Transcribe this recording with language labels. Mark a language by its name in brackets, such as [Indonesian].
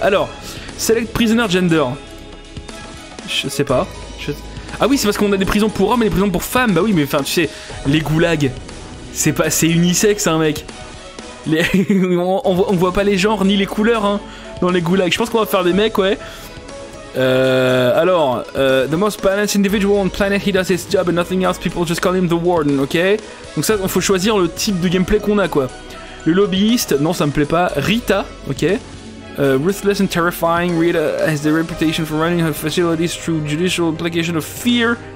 [French] Alors, [English] select prisoner gender. [French] Je sais pas. Ah oui, c'est parce qu'on a des prisons pour hommes et des prisons pour femmes. Bah oui, mais enfin, tu sais, les goulags, c'est unisexe, hein, mec. On voit pas les genres ni les couleurs hein, dans les goulags. Je pense qu'on va faire des mecs, ouais. [English] Alors, the most balanced individual on planet, he does his job and nothing else. People just call him the warden, ok. [French] Donc ça, il faut choisir le type de gameplay qu'on a, quoi. Le lobbyiste, non, ça me plaît pas. Rita, ok. [English] Ruthless and terrifying, Rita has the reputation for running her facilities through judicial application of fear.